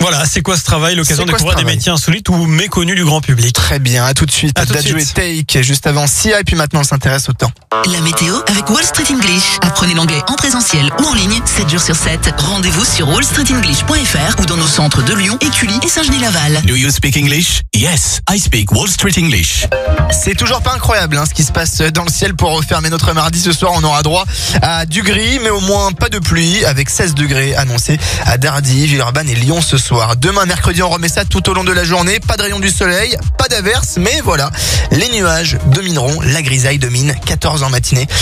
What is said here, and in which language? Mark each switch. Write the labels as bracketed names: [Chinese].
[French] Voilà, c'est quoi ce travail? L'occasion de découvrir des métiers insolites ou méconnus du grand public. Très bien, à tout de suite. Dadju et Take, juste avant Sia, et puis maintenant on s'intéresse au temps. La météo avec Wall Street English. Apprenez l'anglais en présentiel ou en ligne, 7 jours sur 7. Rendez-vous sur wallstreetenglish.fr ou dans nos centres de Lyon, Écully et Saint-Genis-Laval. [English] Do you speak English? Yes, I speak Wall Street English. [French] C'est toujours pas incroyable hein, ce qui se passe dans le ciel pour refermer notre mardi. Ce soir, on aura droit à du gris, mais au moins pas de pluie, avec 16 degrés annoncés à Dardy, Villeurbanne et Lyon ce soir. Demain, mercredi, on remet ça tout au long de la journée. Pas de rayon du soleil, pas d'averse, mais voilà. Les nuages domineront, la grisaille domine, 14 en matinée.